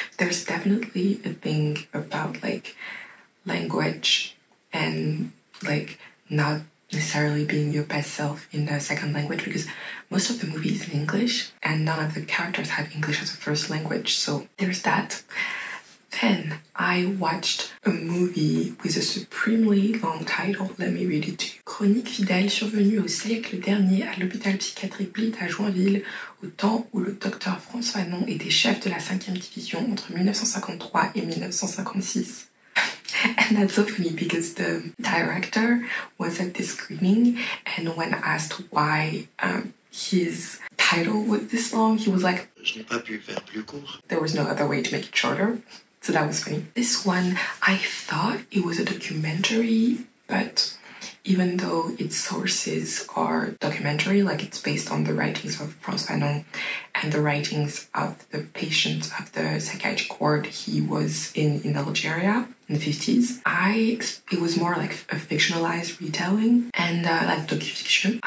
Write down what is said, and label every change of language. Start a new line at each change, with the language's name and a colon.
English: There's definitely a thing about, like, language and, like, not necessarily being your best self in the second language, because most of the movie is in English and none of the characters have English as a first language, so there's that. Then I watched a movie with a supremely long title. Let me read it to you.
French: Chronique fidèle survenue au siècle dernier à l'hôpital psychiatrique Blitz à Joinville, au temps où le docteur Franz Fanon était chef de la 5e division entre 1953 et 1956.
English: And that's so funny because the director was at the screening, and when asked why his title was this long, he was like,
French: "Je n'ai pas pu faire plus court."
English: There was no other way to make it shorter. So that was funny. This one, I thought it was a documentary, but even though its sources are documentary, like, it's based on the writings of Franz Fanon and the writings of the patients of the psychiatric ward he was in Algeria in the 50s, it was more like a fictionalized retelling and like docu-fiction.